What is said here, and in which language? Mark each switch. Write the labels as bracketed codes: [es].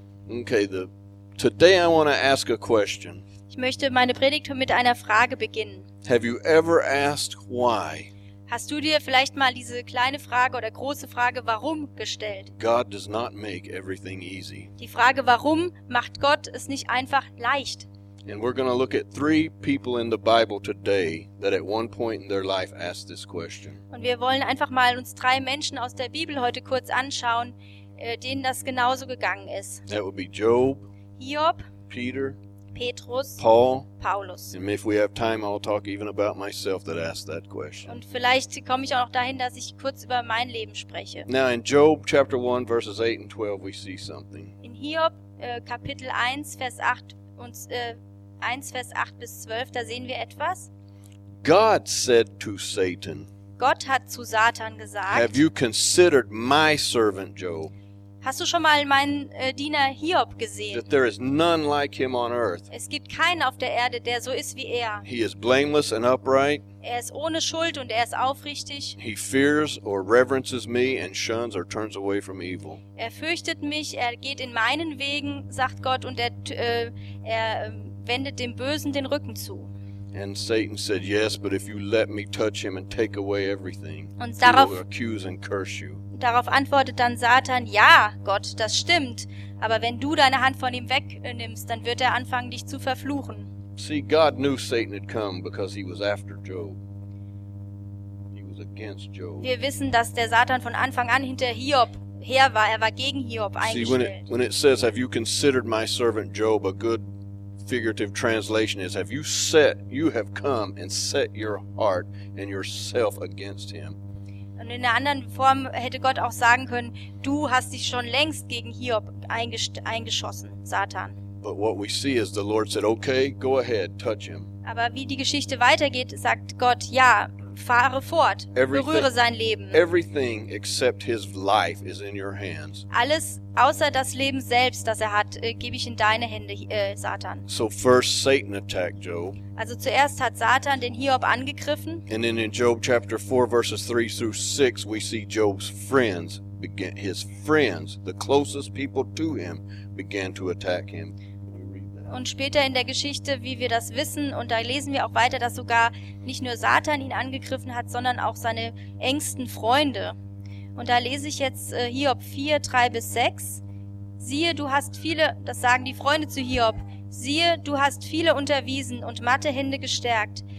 [en] Okay, today I want to ask a question. [de] Ich möchte meine Predigt mit einer Frage beginnen. [en] Have you ever asked why? [de] Hast du dir vielleicht mal diese kleine Frage oder große Frage warum gestellt? [en] God does not make everything easy. [de] Die Frage warum macht Gott es nicht einfach leicht? [en] And we're going to look at 3 people in the Bible today that at one point in their life asked this question. [de] Und wir wollen einfach mal uns 3 Menschen aus der Bibel heute kurz anschauen, denen das genauso gegangen ist. [en] That would be Job. [de] Hiob. [en] Peter. [de] Petrus. [en] Paul. [de] Paulus. [en] And if we have time, I'll talk even about myself that asked that question. [de] Und vielleicht komme ich auch noch dahin, dass ich kurz über mein Leben spreche. [en] Now in Job chapter 1 verses 8 and 12 we see something. [de] In Hiob Kapitel 1 Vers 8 und 1 Vers 8 bis 12, da sehen wir etwas. [en] God said to Satan. [de] Gott hat zu Satan gesagt. [en] Have you considered my servant Job? [de] Hast du schon mal meinen Diener Hiob gesehen? [en] That there is none like him on earth. [de] Es gibt keinen auf der Erde, der so ist wie er. [en] He is blameless and upright. [de] Er ist ohne Schuld und er ist aufrichtig. [en] He fears or reverences me and shuns or turns away from evil. [de] Er fürchtet mich, er geht in meinen Wegen, sagt Gott, und er wendet dem Bösen den Rücken zu. [en] And Satan said, yes, but if you let me touch him and take away everything, [de] und darauf, [en] he will accuse and curse you. [de] Darauf antwortet dann Satan, ja, Gott, das stimmt, aber wenn du deine Hand von ihm wegnimmst, dann wird er anfangen, dich zu verfluchen. [en] See, God knew Satan had come because he was after Job. He was against Job. [de] Wir wissen, dass der Satan von Anfang an hinter Hiob her war. Er war gegen Hiob eingestellt. [en] See, when it says, have you considered my servant Job, a good figurative translation is, have you come and set your heart and yourself against him. [de] Und in einer anderen Form hätte Gott auch sagen können, du hast dich schon längst gegen Hiob eingeschossen, Satan. [en] But what we see is the Lord said, okay, go ahead, touch him. [de] Aber wie die Geschichte weitergeht, sagt Gott, ja, fahre fort, berühre sein Leben. [en] Everything except his life is in your hands. [de] Alles außer das Leben selbst, das er hat, gebe ich in deine Hände, Satan. [en] So first Satan attacked Job. [de] Also zuerst hat Satan den Hiob angegriffen. [en] And then in Job chapter 4 verses 3 through 6 we see Job's friends begin, his friends, the closest people to him, began to attack him. [de] Und später in der Geschichte, wie wir das wissen, und da lesen wir auch weiter, dass sogar nicht nur Satan ihn angegriffen hat, sondern auch seine engsten Freunde. Und da lese ich jetzt Hiob 4, 3 bis 6. Siehe, du hast viele, das sagen die Freunde zu Hiob, siehe, du hast viele unterwiesen und matte Hände gestärkt.